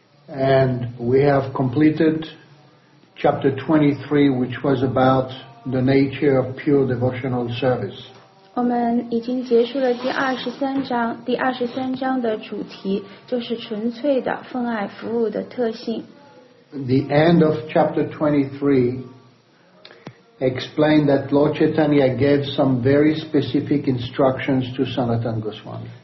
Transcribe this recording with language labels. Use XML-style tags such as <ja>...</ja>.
<en>And we have completed chapter 23, which was about the nature of pure devotional service.</en> <zh>我们已经结束了第二十三章，第二十三章的主题就是纯粹的奉爱服务的特性。</zh> <en>The end of chapter 23 explained that Lord Chaitanya gave some very specific instructions to Sanatan Goswami.</en>